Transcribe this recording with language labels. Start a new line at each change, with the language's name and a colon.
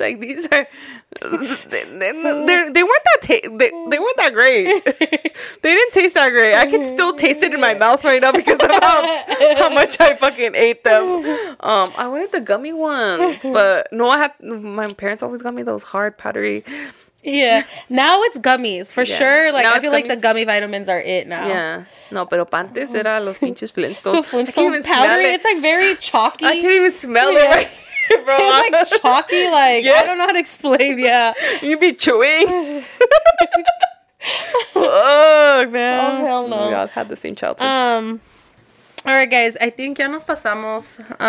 English: Like, these are, they weren't that great. They didn't taste that great. I can still taste it in my mouth right now because of how much I fucking ate them. I wanted the gummy ones, but no, my parents always got me those hard powdery. Yeah, now it's gummies for sure. Like, I feel gummies. Like the gummy vitamins are it now.
Spanish: Yeah, no, pero antes era los pinches Flintstones.
English: The Flintstones powdery, it's like very chalky. I can't even smell it right here, bro. It's like chalky, like, yeah. I don't know how to explain. Yeah, you'd be chewing. Oh, man. Oh, hell no. We all had the same childhood. All right, guys, I think
Spanish: ya nos pasamos.